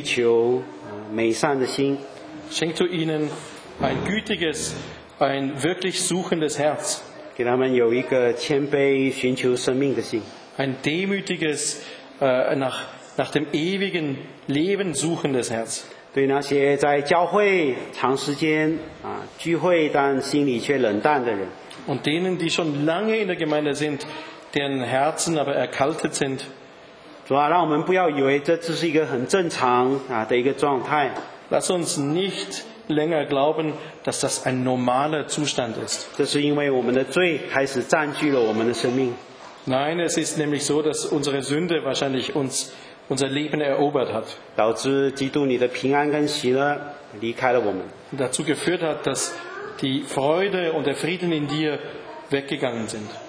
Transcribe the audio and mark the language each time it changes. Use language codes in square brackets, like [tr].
[zh] 给他们有一个追求美善的心, [de] schenk du ihnen ein gütiges, ein wirklich suchendes Herz, [zh] 给他们有一个谦卑寻求生命的心, [de] ein demütiges, nach dem ewigen Leben suchendes Herz. [zh] 对那些在教会长时间聚会但心里却冷淡的人, [de] und denen, die schon lange in der Gemeinde sind, deren Herzen aber erkaltet sind. [zh] 主啊, 让我们不要以为这是一个很正常的一个状态。 [de] Lass uns nicht länger glauben, dass das ein normaler Zustand ist. [zh] 这是因为我们的罪开始占据了我们的生命。 [de] Nein, es ist nämlich so, dass unsere Sünde wahrscheinlich unser Leben erobert hat. [zh] 导致基督你的平安跟喜乐离开了我们。 [de] Dazu geführt hat, dass die Freude und der Frieden in dir weggegangen sind.